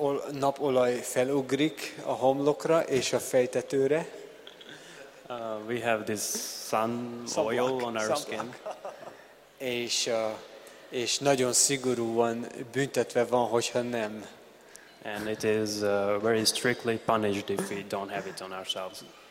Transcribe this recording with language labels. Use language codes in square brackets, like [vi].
[hu] Napolaj felugrik a homlokra és a fejtetőre. [en] We have this sun oil on our skin. [hu] És nagyon szigorúan büntetve van, hogyha nem. [en] And it is very strictly punished if we don't have it on ourselves.